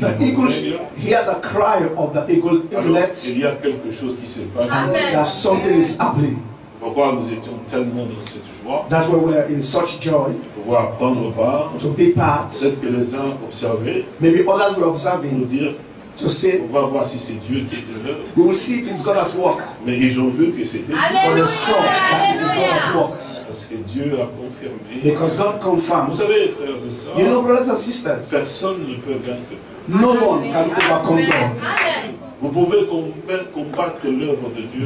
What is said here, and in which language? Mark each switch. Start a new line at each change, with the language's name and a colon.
English: the eagles hear the cry of the eagle.
French: Il y a quelque chose qui se passe.
English: That something is happening.
French: Pourquoi nous étions tellement dans cette joie?
English: That's why we are in such joy.
French: Pouvoir prendre part.
English: To be part.
French: Peut-être que les uns observaient.
English: Maybe others were observing.
French: Nous dire.
English: To say,
French: on va voir si c'est Dieu qui est à l'œuvre.
English: We will see if it's God at work.
French: Mais ils ont vu que c'était Dieu.
English: For the soul, that it is God at work.
French: Parce que Dieu a confirmé.
English: Because God confirmed.
French: Vous savez, frères et sœurs.
English: You know, brothers and sisters.
French: Personne ne peut vaincre.
English: No one can overcome God. Amen.
French: Vous pouvez combattre l'œuvre de Dieu.